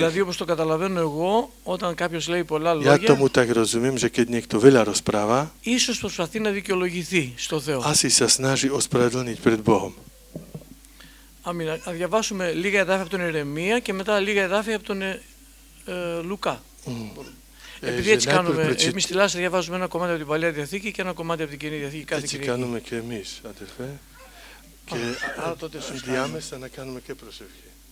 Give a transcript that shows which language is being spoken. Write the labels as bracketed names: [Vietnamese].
[Greek] Δηλαδή, όπως το καταλαβαίνω εγώ, όταν κάποιος λέει πολλά λόγια, [Slovak] ja tomu tak rozumiem, že keď niekto veľa rozpráva, [Greek] ίσως προσπαθεί να δικαιολογηθεί στο Θεό. [Slovak] Asi sa snaží ospravedlniť pred Bohom. [Greek] Αμήν, να διαβάσουμε λίγα εδάφια από τον Ιερεμία και μετά λίγα εδάφια από τον Λουκά. Επειδή έτσι κάνουμε, εμείς στη Λάση διαβάζουμε ένα κομμάτι από την Παλαιά Διαθήκη και ένα κομμάτι από την Καινή Διαθήκη κάθε Κυριακή. Έτσι κάνουμε και εμείς, αδερφέ. Και διάμεσα να κάνουμε και προσευχή.